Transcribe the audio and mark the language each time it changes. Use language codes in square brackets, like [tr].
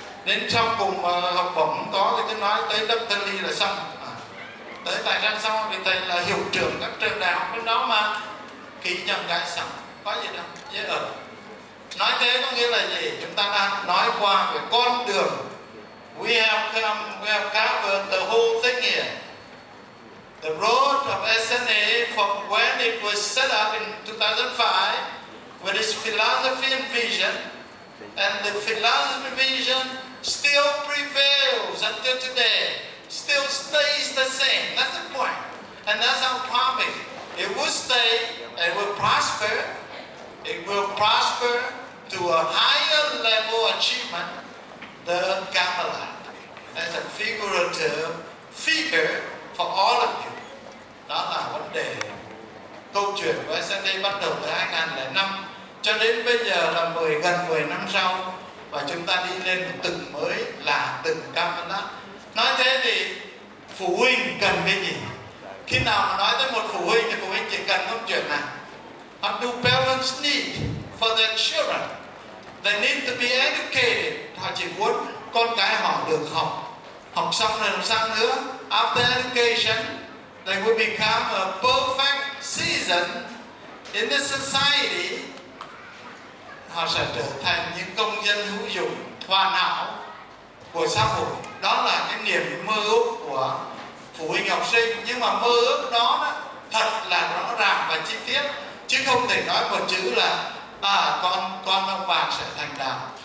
[vi] Đến sau cùng học bổng không có thì tôi nói tới Đức Thân Ly là xong. Tới tại ra sau thì thầy là hiệu trưởng các trường đại học bên đó mà ký nhận gái xong, có gì đâu, dễ ở. Nói thế có nghĩa là gì? Chúng ta đang nói qua về con đường. [en] We have covered the whole thing here. The road of SNA from when it was set up in 2005 with its philosophy and vision, and the philosophy and vision still prevails until today, still stays the same. That's the point. And that's our topic. It will stay, it will prosper, it will prosper to a higher level achievement, the Camelot, as a figurative figure for all of you. [vi] Đó là vấn đề. Câu chuyện của SND bắt đầu từ 2005 cho đến bây giờ là gần 10 năm sau, và chúng ta đi lên từng mới là từng cao hơn đó. Nói thế thì phụ huynh cần cái gì? Khi nào mà nói tới một phụ huynh thì phụ huynh chỉ cần câu chuyện này. [en] What do parents need for their children? They need to be educated. [vi] Họ chỉ muốn con cái họ được học. Học xong rồi làm sao nữa? [en] After education, they will become a perfect citizen in the society. [vi] Họ sẽ trở thành những công dân hữu dụng, hoàn hảo của xã hội. Đó là cái niềm mơ ước của phụ huynh học sinh. Nhưng mà mơ ước đó thật là rõ ràng và chi tiết, chứ không thể nói một chữ là con ông bà sẽ thành đạt.